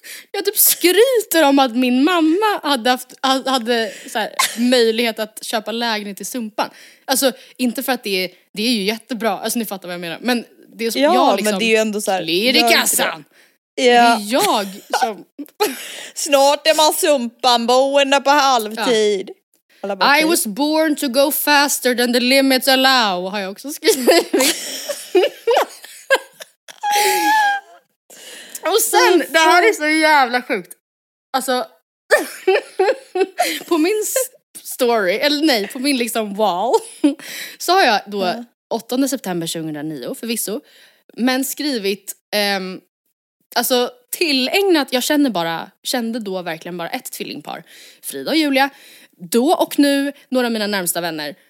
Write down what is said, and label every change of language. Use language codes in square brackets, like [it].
[sv] Jag typ skryter om att min mamma hade så här, möjlighet att köpa lägenhet i Sumpan. Alltså, inte för att det är ju jättebra. Alltså, ni fattar vad jag menar. Men det är så, ja, jag liksom, men det är ju ändå så här... Lir i kassan! Ja. Det är jag som... Snart är man Sumpan boende på halvtid. Ja. Bara, [en] okay. I was born to go faster than the limits allow, [sv] har jag också skrivit. Och sen, det här är så jävla sjukt. Alltså, på min story, eller nej, på min liksom wall, så har jag då 8 september 2009, förvisso, men skrivit, alltså tillägnat, jag kände då verkligen bara ett tvillingpar, Frida och Julia, då och nu, några av mina närmsta vänner.